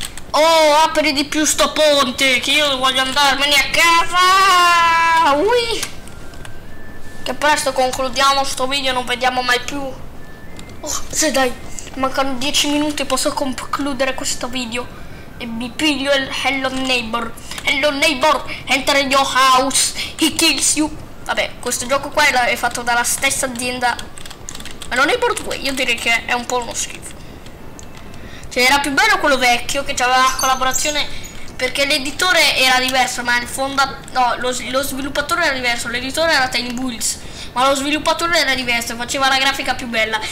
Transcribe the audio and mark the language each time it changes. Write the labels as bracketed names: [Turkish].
[Italian] Oh, apri di più sto ponte, che io voglio andarmene a casa! Ui! Che presto concludiamo sto video, non vediamo mai più. Oh, se dai, mancano 10 minuti, posso concludere questo video. E mi piglio il Hello Neighbor. [English] Hello Neighbor, enter in your house, he kills you. [Italian] Vabbè, questo gioco qua è fatto dalla stessa azienda. Hello Neighbor 2, io direi che è un po' uno schifo. Cioè era più bello quello vecchio che c'aveva la collaborazione, perché l'editore era diverso, ma il lo sviluppatore era diverso, l'editore era Tiny Bulls, ma lo sviluppatore era diverso e faceva la grafica più bella.